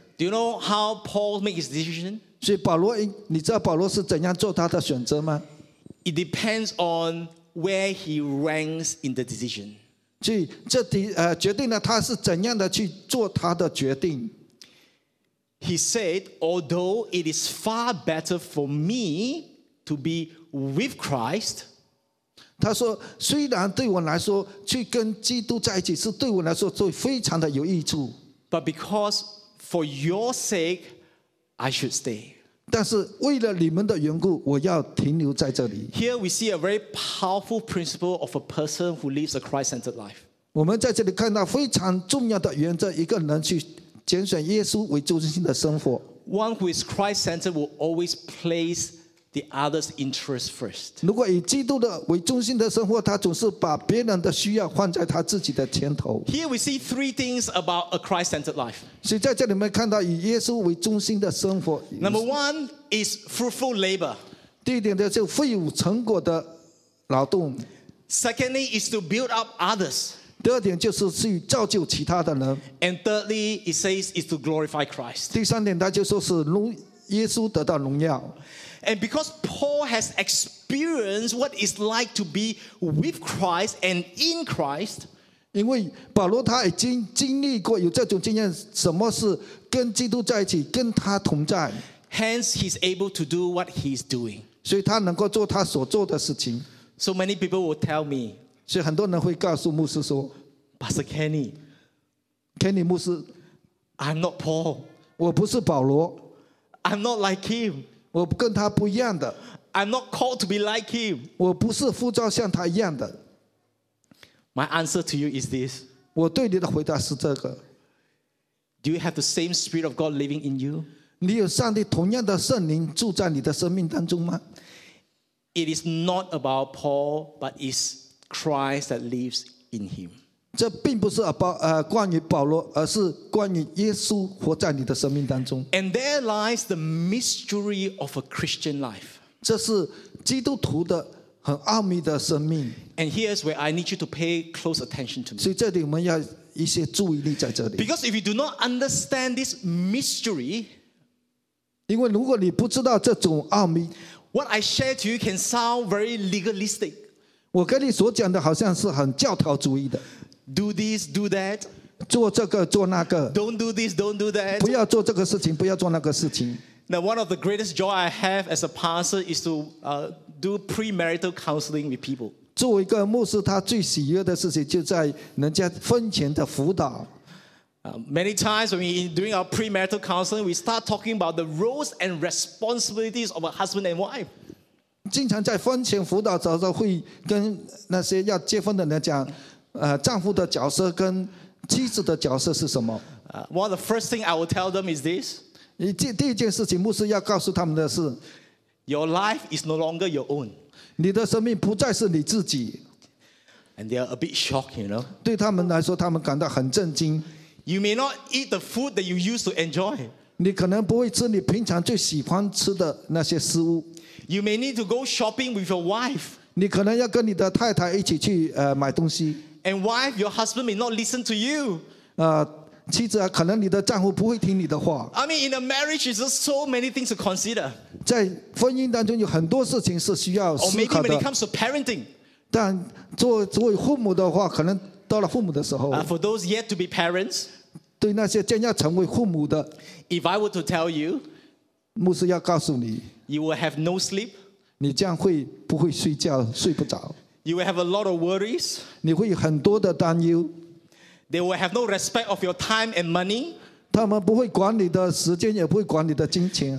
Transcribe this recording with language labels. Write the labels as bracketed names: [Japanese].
[English] Do you know how Paul made his decision? [Chinese] 所以保罗，你知道保罗是怎样做他的选择吗？ [English] It depends on where he ranks in the decision. [Chinese] 所以这决定了他是怎样的去做他的决定。 [English] He said, although it is far better for me to be with Christ, [Chinese] 他说虽然对我来说去跟基督在一起是对我来说最非常的有益处， [English] but because for your sake, I should stay. [Chinese] 但是为了你们的缘故，我要停留在这里。 [English] Here we see a very powerful principle of a person who lives a Christ-centered life. [Chinese] 我们在这里看到非常重要的原则，一个人去拣选耶稣为中心的生活。 [English] One who is Christ-centered will always place the other's interest first. [Chinese] 如果以基督的为中心的生活，他总是把别人的需要放在他自己的前头。 [English] Here we see three things about a Christ-centered life. [Chinese] 所以在这里我们看到以耶稣为中心的生活。 [English] Number one is fruitful labor. [Chinese] 第一点就是富有成果的劳动。 [English] Secondly is to build up others. [Chinese] 第二点就是去造就其他的人。 [English] And thirdly, it says is to glorify Christ. [Chinese] 第三点，他就说是耶稣得到荣耀。 [English] And because Paul has experienced what it's like to be with Christ and in Christ, [Chinese] 因为保罗他已经经历过有这种经验，什么是跟基督在一起，跟他同在。 [English] Hence, he's able to do what he's doing. [Chinese] 所以他能够做他所做的事情。 [English] So many people will tell me. [Chinese] 所以很多人会告诉牧师说 [English] Pastor Kenny, [Chinese] Kenny 牧师 [English] I'm not Paul, [Chinese] 我不是保罗 [English] I'm not like him, [Chinese] 我跟他不一样的 [English] I'm not called to be like him, [Chinese] 我不是呼召像他一样的。 [English] My answer to you is this, [Chinese] 我对你的回答是这个。 [English] Do you have the same Spirit of God living in you? [Chinese] 你有上帝同样的圣灵住在你的生命当中吗？ [English] It is not about Paul, but it'sChrist that lives in him. [Chinese] 这并不是关于保罗，而是关于耶稣活在你的生命当中。 [English] And there lies the mystery of a Christian life. [Chinese] 这是基督徒的很奥秘的生命。 [English] And here's where I need you to pay close attention to me. [Chinese] 所以这里我们要一些注意力在这里。 [English] Because if you do not understand this mystery, [Chinese] 因为如果你不知道这种奥秘， [English] what I share to you can sound very legalistic. [Chinese] 我跟你所讲的好像是很教条主义的 [English] ，Do this, do that， [Chinese] 做这个做那个 [English] ，Don't do this, don't do that， [Chinese] 不要做这个事情，不要做那个事情。 [English] Now, one of the greatest joy I have as a pastor is to do premarital counseling with people. [Chinese] 作为一个牧师，他最喜悦的事情就在人家婚前的辅导。 [English] Many times when we're doing our premarital counseling, we start talking about the roles and responsibilities of a husband and wife. [Chinese] 经常在婚前辅导的时候，会跟那些要结婚的人讲，丈夫的角色跟妻子的角色是什么。 [English] Well, the first thing I will tell them is this. [Chinese] 第一件事情，牧师要告诉他们的是 [English] ，Your life is no longer your own. [Chinese] 你的生命不再是你自己。 [English] And they are a bit shocked, you know. [Chinese] 对他们来说，他们感到很震惊。 [English] You may not eat the food that you used to enjoy. [Chinese] 你可能不会吃你平常最喜欢吃的那些食物。 [English] You may need to go shopping with your wife. [Chinese] 你可能要跟你的太太一起去买东西。 [English] And wife, your husband may not listen to you. [Chinese] 妻子啊，可能你的丈夫不会听你的话。 [English] I mean, in a marriage, there's so many things to consider. [Chinese] 在婚姻当中有很多事情是需要思考的。 [English] Or maybe when it comes to parenting. [Chinese] 但作为父母的话，可能到了父母的时候。 [English] For those yet to be parents. [Chinese] 对那些将要成为父母的。 [English] If I were to tell you. [Chinese] 牧师要告诉你。 [English] You will have no sleep. [Chinese] 你将会不会睡觉，睡不着。 [English] You will have a lot of worries. [Chinese] 你会有很多的担忧。 [English] They will have no respect of your time and money. [Chinese] 他们不会管你的时间，也不会管你的金钱。